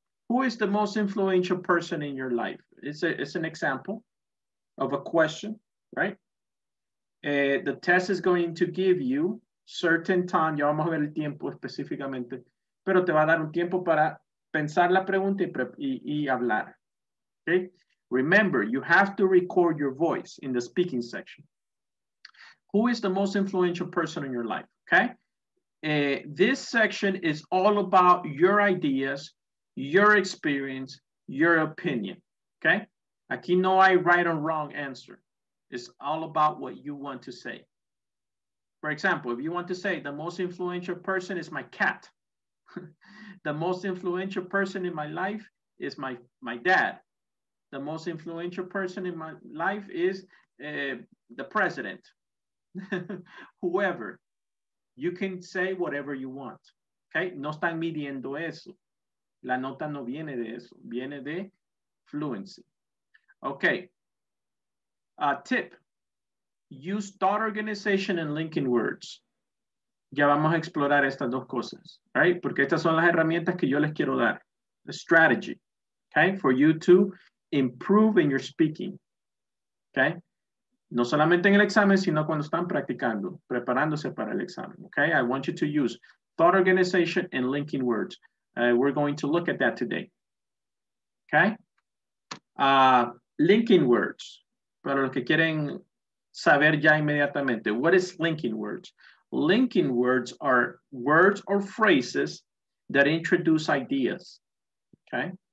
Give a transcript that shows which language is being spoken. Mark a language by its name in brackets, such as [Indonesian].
[English] Who is the most influential person in your life? It's an example of a question, right? The test is going to give you certain time. [Spanish] Ya vamos a ver el tiempo específicamente, pero te va a dar un tiempo para pensar la pregunta y hablar. [English] Okay? Remember, you have to record your voice in the speaking section. Who is the most influential person in your life? Okay? This section is all about your ideas, your experience, your opinion. Okay? [Spanish] Aquí no hay [English] right or wrong answer. It's all about what you want to say. For example, if you want to say the most influential person is my cat, the most influential person in my life is my dad, the most influential person in my life is the president, whoever, you can say whatever you want. [Spanish] Okay, no están midiendo eso. La nota no viene de eso, viene de fluency. Okay. [English] Tip, use thought organization and linking words. [Spanish] Ya vamos a explorar estas dos cosas, right? Porque estas son las herramientas que yo les quiero dar. [English] A strategy, okay? For you to improve in your speaking, okay? [Spanish] No solamente en el examen, sino cuando están practicando, preparándose para el examen, okay? [English] I want you to use thought organization and linking words. We're going to look at that today, okay? [Spanish] Linking words. Para los que quieren saber ya inmediatamente, [English] what is linking words? Linking words are words or phrases that introduce ideas, okay?